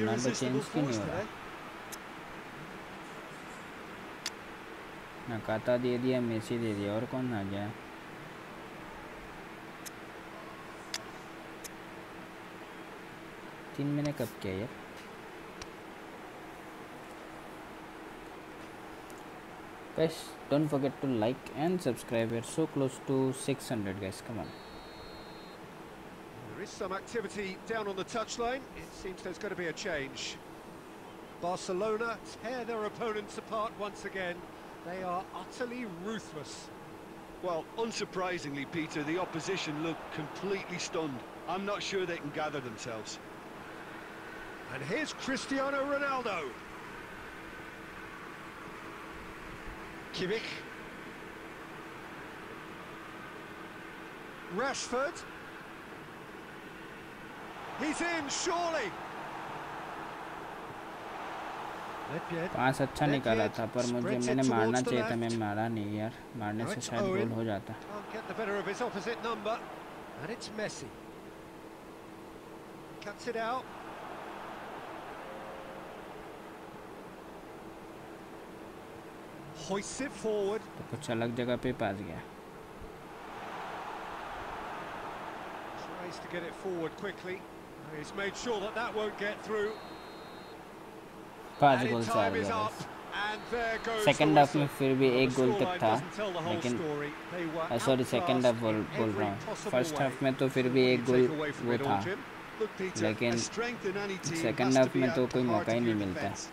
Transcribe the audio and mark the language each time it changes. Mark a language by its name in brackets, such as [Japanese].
[Hindi] Ronaldo change क्यों नहीं हो रहा ना काटा दे दिया मेसी दे दिया और कौन आ गया तीन महीने कब किया यार [English] Guys, don't forget to like and subscribe. We're so close to 600, guys. Come on. There is some activity down on the touchline. It seems there's going to be a change. Barcelona tear their opponents apart once again. They are utterly ruthless. Well, unsurprisingly, Peter, the opposition look completely stunned. I'm not sure they can gather themselves. And here's Cristiano Ronaldo. Kimmich, Rashford, he's in surely. [Hindi] पास अच्छा निकाला था पर मुझे मैंने मारना चाहिए था मैं मारा नहीं यार मारने से शायद गोल हो जाता. [English] Get the better of his opposite number, and it's Messi. Cuts it out. Hoists it forward. [Hindi] तो कुछ अलग जगह पे पास गया. [English] Tries to get it forward quickly. He's made sure that that won't get through. [Hindi] पांच गोल चार गोल. Second half में फिर भी एक गोल तक था. लेकिन sorry second half बोल रहा हूँ. First half में तो फिर भी एक गोल वो था. लेकिन second half में तो कोई मौका ही नहीं मिलता.